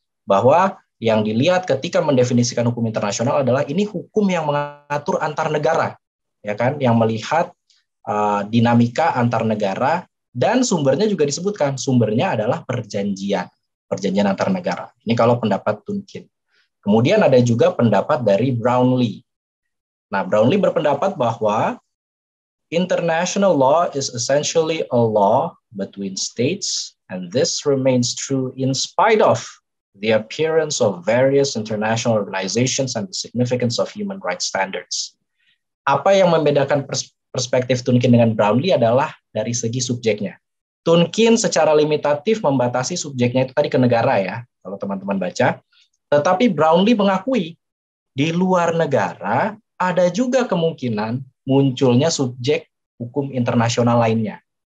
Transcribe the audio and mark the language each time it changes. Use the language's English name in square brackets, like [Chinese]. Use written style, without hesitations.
[Indonesian] Bahwa yang dilihat ketika mendefinisikan hukum internasional adalah ini hukum yang mengatur antar negara, ya kan? Yang melihat dinamika antar negara, dan sumbernya juga disebutkan, sumbernya adalah perjanjian antar negara. Ini kalau pendapat Tunkin. Kemudian ada juga pendapat dari Brownlee. Nah, Brownlee berpendapat bahwa [English] international law is essentially a law between states, and this remains true in spite of the appearance of various international organizations and the significance of human rights standards. [Indonesian] Apa yang membedakan perspektif Tunkin dengan Brownlee adalah dari segi subjeknya. Tunkin secara limitatif membatasi subjeknya itu tadi ke negara ya, kalau teman-teman baca. Tetapi Brownlee mengakui, di luar negara ada juga kemungkinan munculnya subjek hukum internasional lainnya.